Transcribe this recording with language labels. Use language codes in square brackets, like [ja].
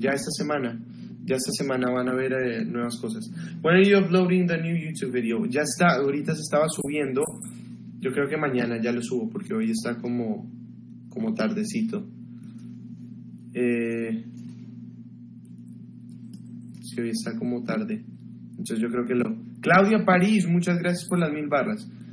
[es] Ya esta semana van a ver nuevas cosas. [en] When are you uploading the new YouTube video? [es] Ya está, ahorita se estaba subiendo. Yo creo que mañana ya lo subo, porque hoy está como tardecito. Sí, hoy está como tarde. Entonces yo creo que lo... Claudia París, muchas gracias por las 1,000 barras.